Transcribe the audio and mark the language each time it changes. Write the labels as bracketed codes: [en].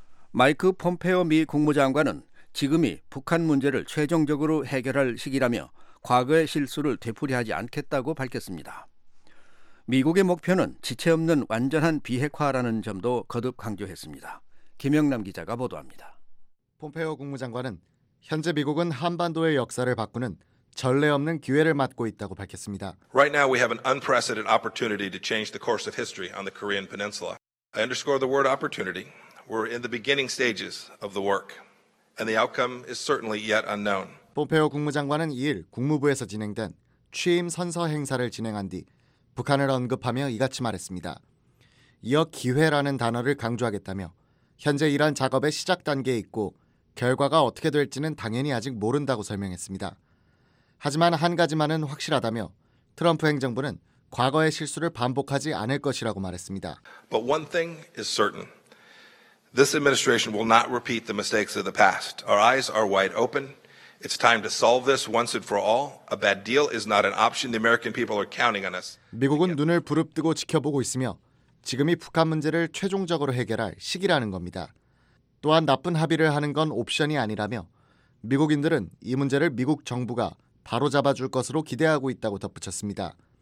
[ko] 마이크 폼페오 미 국무장관은 지금이 북한 문제를 최종적으로 해결할 시기라며 과거의 실수를 되풀이하지 않겠다고 밝혔습니다. 미국의 목표는 지체 없는 완전한 비핵화라는 점도 거듭 강조했습니다. 김영남 기자가 보도합니다. 폼페오 국무장관은 현재 미국은 한반도의 역사를 바꾸는 전례 없는 기회를 맞고 있다고 밝혔습니다. [en] Right now we have an unprecedented opportunity to change the course of history on the Korean Peninsula. I underscore the word opportunity. We're in the beginning stages of the work, and the outcome is certainly yet unknown. [ko] 폼페오 국무장관은 2일 국무부에서 진행된 취임 선서 행사를 진행한 뒤 북한을 언급하며 이같이 말했습니다. 이어 기회라는 단어를 강조하겠다며 현재 이란 작업의 시작 단계에 있고 결과가 어떻게 될지는 당연히 아직 모른다고 설명했습니다. 하지만 한 가지만은 확실하다며 트럼프 행정부는 과거의 실수를 반복하지 않을 것이라고 말했습니다. [en] But one thing is certain. This administration will not repeat the mistakes of the past. Our eyes are wide open. It's time to solve this once and for all. A bad deal is not an option. The American people are counting on us. [ko] 미국은 눈을 부릅뜨고 지켜보고 있으며 지금이 북한 문제를 최종적으로 해결할 시기라는 겁니다. 또한 나쁜 합의를 하는 건 옵션이 아니라며 미국인들은 이 문제를 미국 정부가 바로잡아줄 것으로 기대하고 있다고 덧붙였습니다.